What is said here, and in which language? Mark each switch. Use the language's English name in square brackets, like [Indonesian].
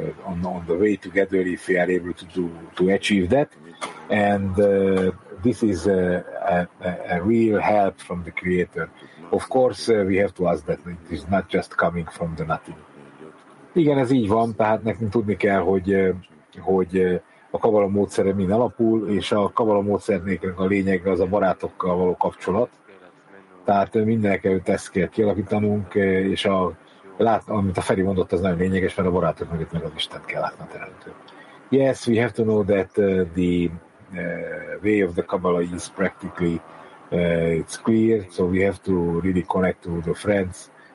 [English] on the way together if we are able to achieve that, and this is a real help from the creator. Of course we have to ask that it is not just coming from the nothing. [Hungarian] Igen, ez így van, tehát nekünk tudni kell, hogy a kabala módszere min alapul, és a kabala módszernek a lényege az a barátokkal való kapcsolat. Tehát mindenek előtt ezt kell kialakítanunk, és a amit a Feri mondott, az nagyon lényeges, mert a barátok mögött meg az Istent kell látni a teremtő. [English] Yes, we have to know that the way of the Kabbalah is practically it's clear, so we have to really connect to the friends.